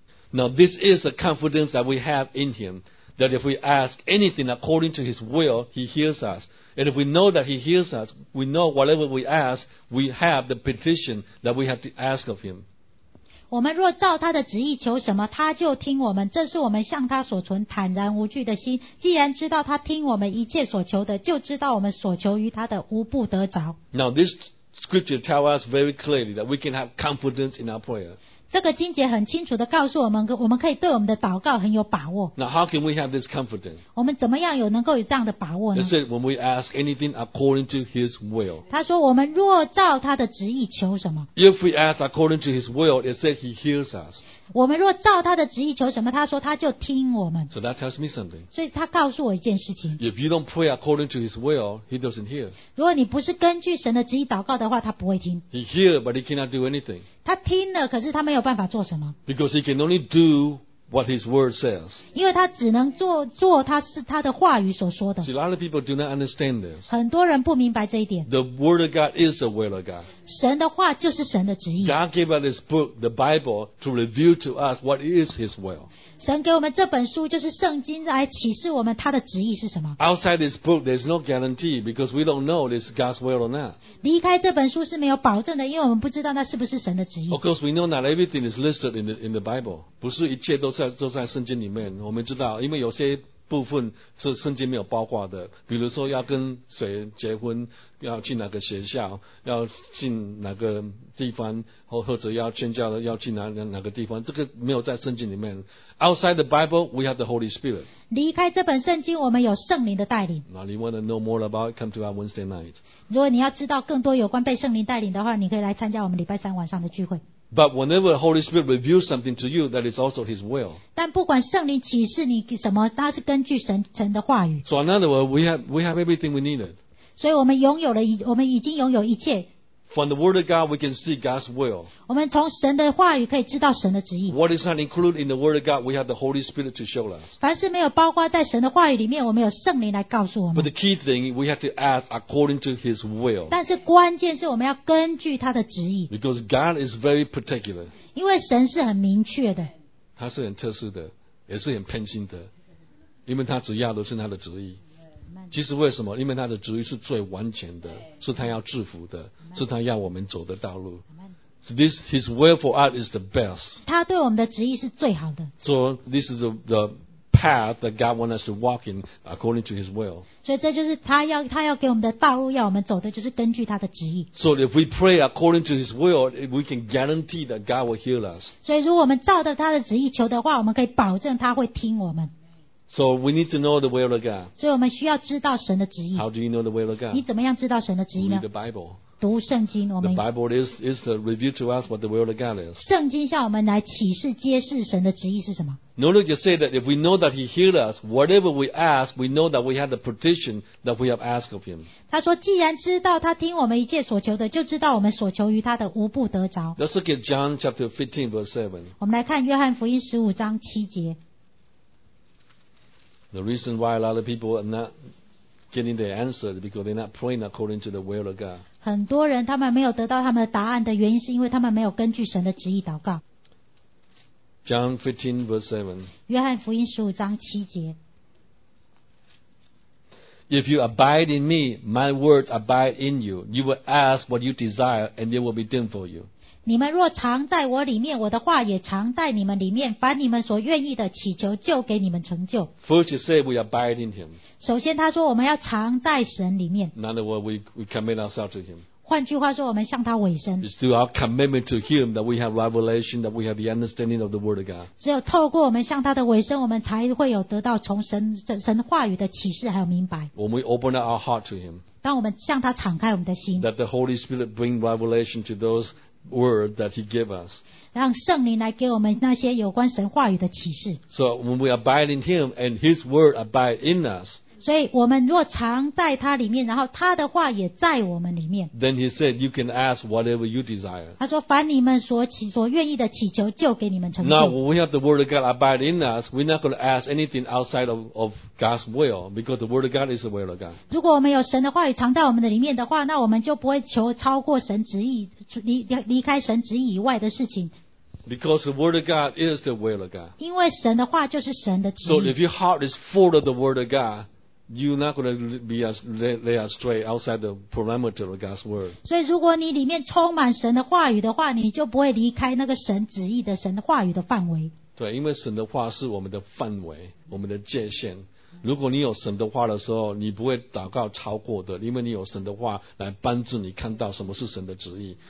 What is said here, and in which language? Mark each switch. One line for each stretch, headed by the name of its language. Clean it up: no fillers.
English: Now this is the confidence that we have in Him, that if we ask anything according to His will, He hears us. And if we know that He hears us, we know whatever we ask, we have the petition that we have to ask of Him.
Chinese: 我们若照他的旨意求什么，他就听我们。这是我们向他所存坦然无惧的心。既然知道他听我们一切所求的，就知道我们所求于他的无不得着。
English: Now this scripture tells us very clearly that we can have confidence in our prayer.
Chinese: 这个经节很清楚地告诉我们，我们可以对我们的祷告很有把握。
English: Now, how can we have this confidence?
Chinese: 我们怎么样有能够有这样的把握呢？
English: He said, when we ask anything according to His will.
Chinese: 他说，我们若照他的旨意求什么？
English: If we ask according to His will, it said He hears us.
Chinese: 我们若照他的旨意求什么？他说他就听我们。
English: So that tells me something.
Chinese: 所以他告诉我一件事情。
English: If you don't pray according to His will, He doesn't hear.
Chinese: 如果你不是根据神的旨意祷告的话，他不会听。
English: He hears, but He cannot do anything.
Chinese: 他听了，可是他没有办法做什么。
English: Because he can only do what his word says.
Chinese: 因为他只能做他是他的话语所说的。
English: See, a lot of people do not understand this.
Chinese: 很多人不明白这一点。
English: The word of God is the will of God.
Chinese: 神的话就是神的旨意。
English: God gave us this book, the Bible, to reveal to us what is His will.
Chinese: 神给我们这本书就是圣经来启示我们他的旨意是什么。
English: Outside this book, there's no guarantee because we don't know this God's will or not.
Chinese: 离开这本书是没有保证的，因为我们不知道那是不是神的旨意。
English: Of course, we know not everything is listed in the Bible.
Chinese: 不是一切都在圣经里面，我们知道，因为有些部分是圣经没有包括的，比如说要跟谁结婚，要进哪个学校，要进哪个地方，或者要宣教的要进 哪个地方，这个没有在圣经里面。
English: Outside the Bible we have the Holy Spirit，
Chinese: 离开这本圣经我们有圣灵的带领。
English: Now, you want to know more about it, come to our Wednesday night，
Chinese: 如果你要知道更多有关被圣灵带领的话，你可以来参加我们礼拜三晚上的聚会。
English: But whenever the Holy Spirit reveals something to you, that is also His will.
Chinese: 但不管圣灵启示你什么，它是根据神的话语。
English: So in other words, we have everything we needed.
Chinese: 所以我们拥有了，我们已经拥有一切。
English: From the Word of God, we can see God's will.
Chinese: 我们从神的话语可以知道神的旨意。
English: What is not included in the Word of God, we have the Holy Spirit to show us.
Chinese: 凡是没有包括在神的话语里面，我们有圣灵来告诉我们。
English: But the key thing, we have to ask according to His will.
Chinese: 但是关键是我们要根据他的旨意。
English: Because God is very particular.
Chinese: 因为神是很明确的。他是很特殊的，也是很偏心的，因为他只要的是他的旨意。其实为什么？因为他的旨意是最完全的，是他要祝福的，是他要我们走的道路。
English: This His will for us is the best.
Chinese: 他对我们的旨意是最好的。
English: So this is the path that God wants us to walk in according to His will.
Chinese: 所以这就是他要给我们的道路，要我们走的就是根据他的旨意。
English: So if we pray according to His will, we can guarantee that God will heal us.
Chinese: 所以如果我们照着他的旨意求的话，我们可以保证他会听我们。
English: So we need to know the will of God.
Chinese: 所以我们需要知道神的旨意。
English: How do you know the will of God?
Chinese: 你怎么样知道神的旨意呢？
English: Read the Bible.
Chinese: 读圣经。我们
English: The Bible is the review to us what the will of God is.
Chinese: 圣经向我们来启示揭示神的旨意是什么。
English: Notice you say that if we know that He healed us, whatever we ask, we know that we have the petition that we have asked of Him.
Chinese: 他说既然知道他听我们一切所求的，就知道我们所求于他的无不得着。
English: Let's look at John chapter 15 verse 7.
Chinese: 我们来看约翰福音15章7节。
English: The reason why a lot of people are not getting their answer is because they're not praying according to the will of God.
Chinese: 很多人他们没有得到他们的答案的原因是因为他们没有根据神的旨意祷告。
English: John 15 verse 7.
Chinese: 约翰福音15章7节。
English: If you abide in me, my words abide in you. You will ask what you desire and it will be done for you.
Chinese: 你们若常在我里面，我的话也常在你们里面，凡你们所愿意的祈求就给你们成就。
English: First, you say we abide in him.
Chinese: 首先他说我们要常在神里面。
English: In other words, we commit ourselves to him.
Chinese: 换句话说我们向他委身。
English: It's through our commitment to him that we have revelation, that we have the understanding of the word of God.
Chinese: 只有透过我们向他的委身，我们才会有得到从神话语的启示还有明白。
English: When we open our heart to him,
Chinese: 当我们向他敞开我们的心，
English: that the Holy Spirit bring revelation to thoseword that he gave us.
Chinese: 让圣灵来给我们那些有关神话语的启示。
English: So when we abide in him and his word abide in us,
Chinese: 所以我们若常在他里面，然后他的话也在我们里面。
English: Then he said you can ask whatever you desire.
Chinese: 他说凡你们所愿意的祈求就给你们成就。
English: Now when we have the word of God abide in us, we're not going to ask anything outside of God's will, because the word of God is the will of God.
Chinese: 如果我们有神的话语藏在我们的里面的话，那我们就不会求超过神旨意，离开神旨意以外的事情。
English: Because the word of God is the will of God.
Chinese: 因为神的话就是神的旨意。
English: So if your heart is full of the word of God, you're not going to be led astray outside the parameter of God's word.
Chinese: 所以如果你里面充满神的话语的话，你就不会离开那个神旨意的神的话语的范围。对，因为神的话是我们的范围，我们的界限。如果你有神的话的时候，你不会祷告超过的，因为你有神的话来帮助你看到什么是神的旨意。